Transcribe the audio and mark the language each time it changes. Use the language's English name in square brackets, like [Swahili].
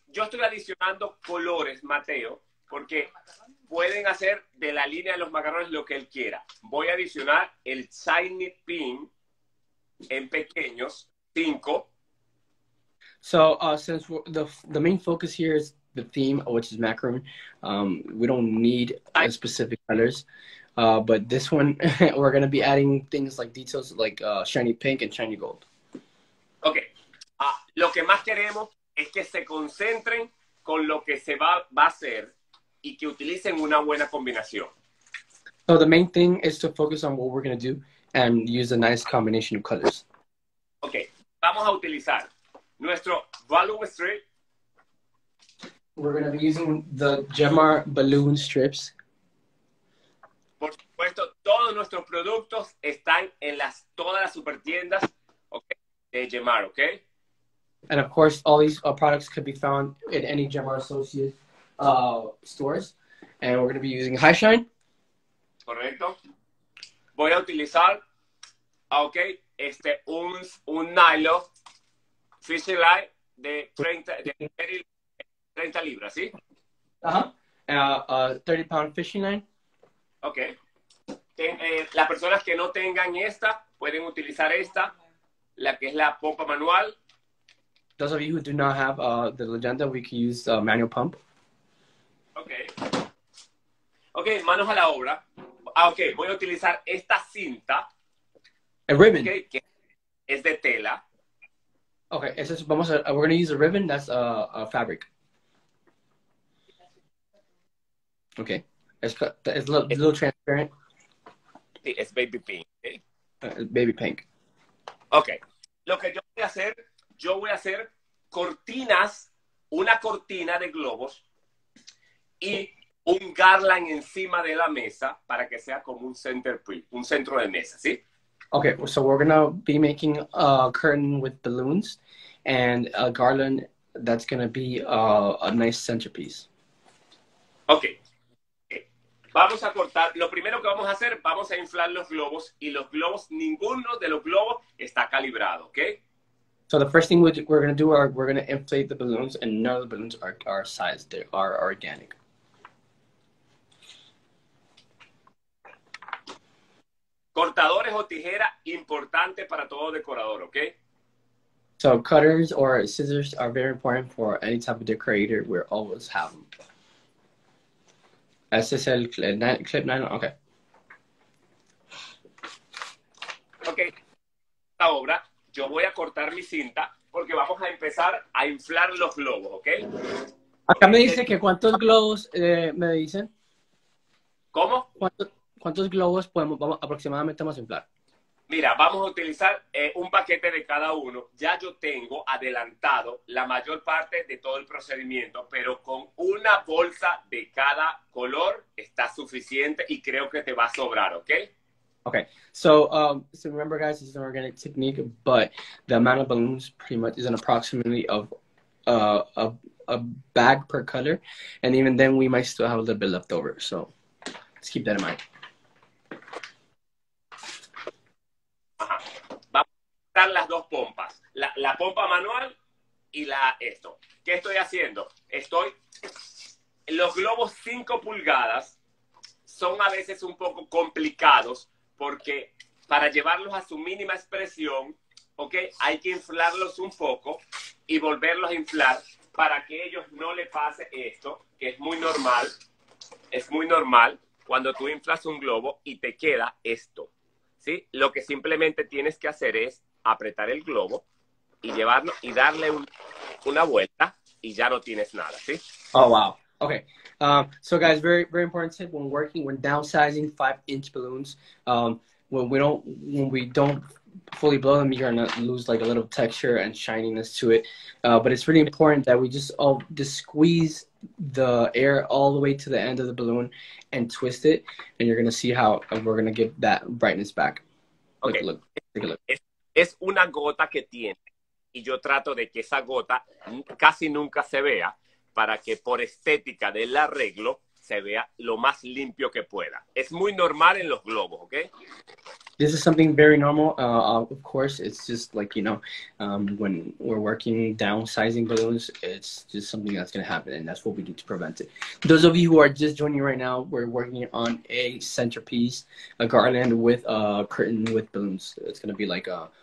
[Spanish] Yo estoy adicionando colores, Mateo, porque pueden hacer de la línea de los macarrones lo que él quiera. Voy a adicionar el tiny pink en pequeños, 5. [English] So, since the main focus here is the theme, which is macaron, we don't need specific colors. But this one, we're going to be adding things like details, like shiny pink and shiny gold. Ok. [Spanish] Lo que más queremos es que se concentren con lo que se va a hacer y que utilicen una buena combinación. [English] So the main thing is to focus on what we're going to do and use a nice combination of colors. [Spanish] Ok. Vamos a utilizar nuestro balloon strip. [English] We're going to be using the Gemmar balloon strips. [Spanish] Por supuesto, todos nuestros productos están en todas las supertiendas, okay, de Gemmar, ¿ok? [English] And of course, all these products could be found in any Gemmar Associates stores. And we're going to be using High Shine. [Spanish] Correcto. Voy a utilizar, okay, un [English] nylon fishing line [Spanish] de 30 libras, ¿sí? [English] Uh-huh. A 30-pound fishing line. Okay. [Spanish] Las personas que no tengan esta pueden utilizar esta, la que es la pompa manual. [English] Those of you who do not have the Legenda, we can use manual pump. [Spanish] Okay, manos a la obra. Okay, voy a utilizar esta cinta. [English] A ribbon. [Spanish] Okay, que es de tela. [English] Okay, we're going to use a ribbon that's a fabric. Okay, it's a little transparent. [Spanish] Es baby pink, ¿eh? Baby pink. Ok. Lo que yo voy a hacer cortinas, una cortina de globos y un garland encima de la mesa para que sea como un centro de mesa, ¿sí? Ok. [English] So we're going to be making a curtain with balloons and a garland that's going to be a nice centerpiece. [Spanish] Ok. Vamos a cortar. Lo primero que vamos a hacer, vamos a inflar los globos. Y los globos, ninguno de los globos está calibrado, ¿ok? [English] So the first thing we're going to do are we're going to inflate the balloons and none of the balloons are sized. They are organic. [Spanish] Cortadores o tijera, importante para todo decorador, ¿ok? [English] So cutters or scissors are very important for any type of decorator. We always have them. [Spanish] Ese es el clip nylon. Ok. Ok. Esta obra, yo voy a cortar mi cinta porque vamos a empezar a inflar los globos, ¿ok? Acá me dice que cuántos globos me dicen. ¿Cómo? ¿Cuántos globos vamos a inflar? Mira, vamos a utilizar un paquete de cada uno. Ya yo tengo adelantado la mayor parte de todo el procedimiento, pero con una bolsa de cada color está suficiente y creo que te va a sobrar, ¿ok? Ok. [English] So, so remember, guys, it's an organic technique, but the amount of balloons pretty much is an approximately of a bag per color. And even then, we might still have a little bit left over. So, let's keep that in mind. [Spanish] Las dos pompas, la pompa manual y esto. ¿Qué estoy haciendo? Estoy los globos 5 pulgadas son a veces un poco complicados porque para llevarlos a su mínima expresión, ok, hay que inflarlos un poco y volverlos a inflar para que ellos no le pase esto, que es muy normal cuando tú inflas un globo y te queda esto. ¿sí? Lo que simplemente tienes que hacer es apretar el globo y llevarlo y darle una vuelta y ya no tienes nada, ¿sí? [English] Oh, wow. Okay. So guys, very, very important tip when working, when downsizing 5-inch balloons, when we don't fully blow them, you're gonna lose like a little texture and shininess to it. But it's really important that we just squeeze the air all the way to the end of the balloon and twist it, and you're gonna see how we're gonna get that brightness back. Okay. Take a look. [Spanish] Es una gota que tiene, y yo trato de que esa gota casi nunca se vea para que por estética del arreglo se vea lo más limpio que pueda. Es muy normal en los globos, ¿ok? [English] This is something very normal, of course. It's just like, you know, when we're working downsizing balloons, it's just something that's going to happen, and that's what we do to prevent it. Those of you who are just joining right now, we're working on a centerpiece, a garland with a curtain with balloons. It's going to be like a...